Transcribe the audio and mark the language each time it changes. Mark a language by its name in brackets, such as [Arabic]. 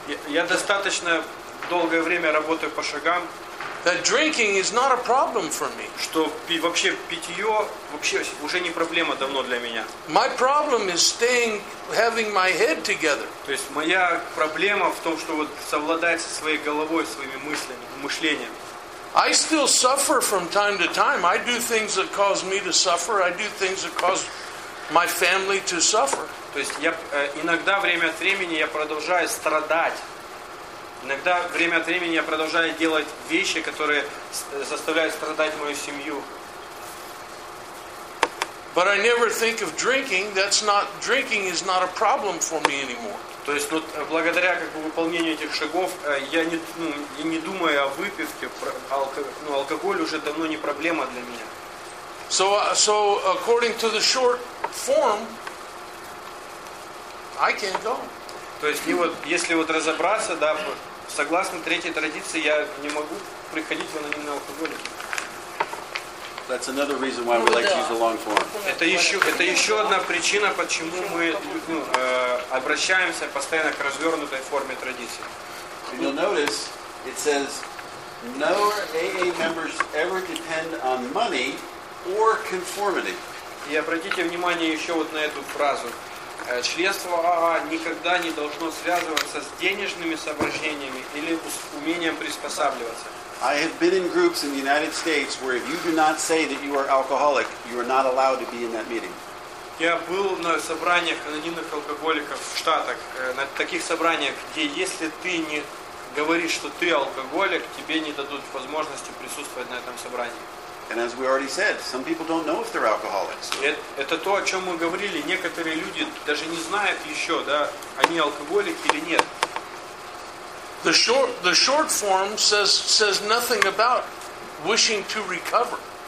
[Russian] Я достаточно долгое время работаю по шагам. [English] That drinking is not a problem for me. [Russian] Что вообще питьё вообще уже не проблема давно для меня. [English] My problem is staying having my head together. [Russian] То есть моя проблема в том, что вот совладать со своей головой, своими мыслями, мышлением. [English] I still suffer from time to time. I do things that cause me to suffer. I do things that cause my family to suffer. [Russian] То есть я иногда время от времени я продолжаю страдать. Иногда время от времени я продолжаю делать вещи, которые заставляют страдать мою семью. [English] But I never think of drinking. Drinking is not a problem for me anymore. [Russian] То есть вот благодаря выполнению этих шагов я не думаю о выпивке, алкоголь уже давно не проблема для меня. [English] So according to the short form, I can't go. [Russian] То есть и вот если вот разобраться, да. Согласно третьей традиции, я не могу приходить в анонимный алкоголик. [English] That's another reason why we like to use the long form. [Russian] Это еще одна причина, почему мы обращаемся постоянно к развернутой форме традиции. [English] You'll notice it says no AA members ever depend on money or conformity. [Russian] И обратите внимание еще вот на эту фразу. Членство АА никогда не должно связываться с денежными соображениями или с умением приспосабливаться. [English] I have been in groups in the United States where if you do not say that you are alcoholic, you are not allowed to be in that meeting. [Russian] Я был на собраниях анонимных алкоголиков в Штатах, на таких собраниях, где если ты не говоришь, что ты алкоголик, тебе не дадут возможности присутствовать на этом собрании. [English] And as we already said, some people don't know if they're alcoholics. [Russian] Это то, о чем мы говорили. Некоторые люди даже не знают еще, да, они алкоголики или нет. [English] The short form says nothing about wishing to recover.